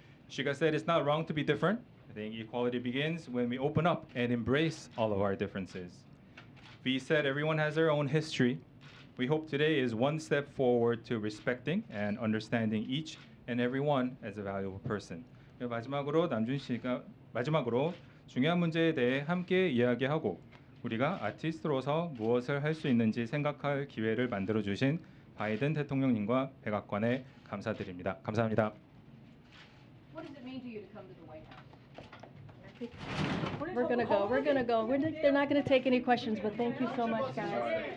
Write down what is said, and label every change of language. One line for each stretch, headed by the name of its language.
English: Shiga said, it's not wrong to be different. I think equality begins when we open up and embrace all of our differences. V said, everyone has their own history. We hope today is one step forward to respecting and understanding each and everyone as a valuable person.
Korean: 마지막으로 남준 씨가 마지막으로 중요한 문제에 대해 함께 이야기하고 우리가 아티스트로서 무엇을 할 수 있는지 생각할 기회를 만들어 주신 바이든 대통령님과 백악관에 감사드립니다. 감사합니다.
English: What does it mean to you to come to the White House? We're gonna go. We're gonna go. They're not gonna take any questions, but thank you so much, guys.